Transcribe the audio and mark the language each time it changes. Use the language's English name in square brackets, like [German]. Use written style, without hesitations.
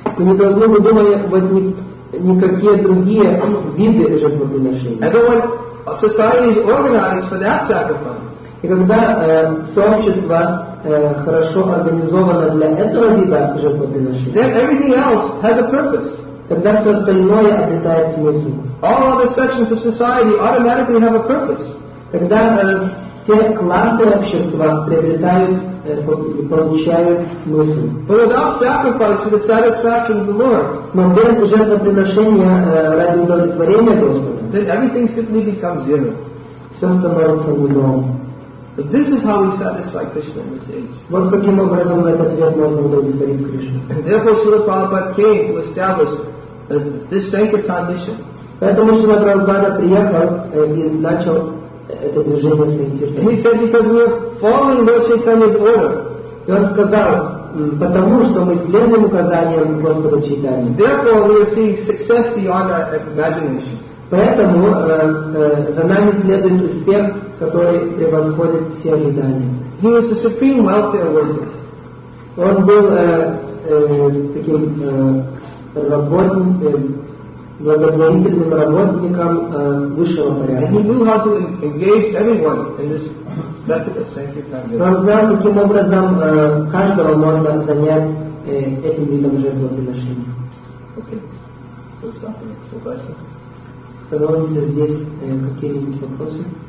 [Russian] Мы не должны выдумывать никакие другие виды жертвоприношений. [English] Everyone, society is organized for that sacrifice. [Russian] И когда сообщество хорошо организовано для этого вида жертвоприношения, [English] then everything else has a purpose. [Russian] Тогда все остальное обретает смысл. [English] All other sections of society automatically have a purpose. [Russian] Тогда все классы общества приобретают, получают смысл. [English] But without sacrifice for the satisfaction of the Lord. [Russian] Но без жертвоприношения ради удовлетворения Господа, [English] then everything simply becomes zero. [Russian] Все становится нулем. [English] But this is how we satisfy Krishna in this age. [Russian] Вот каким образом этот век можно удовлетворить Кришну. [English] Therefore, Srila Prabhupada came to establish this Sankirtan mission. [Russian] Поэтому Srila Prabhupada приехал и начал это движение Сангхиртана. [English] And he said, because we are following Lord Chaitanya's order. [Russian] И он сказал, потому что мы следуем указаниям Господа Чайтаньи. [English] Therefore, we are seeing success beyond our imagination. [Russian] Поэтому за нами следует успех, который превосходит все ожидания. [English] He was a supreme welfare worker. [Russian] Он был таким благотворительным работником высшего порядка. [English] And he knew how to engage everyone in this method of sankirtan. [Russian] Он знал, каким образом каждого можно занять этим видом жертвоприношения. [English] Okay. Let's stop here. So question. [Russian] Становимся здесь какие-нибудь вопросы?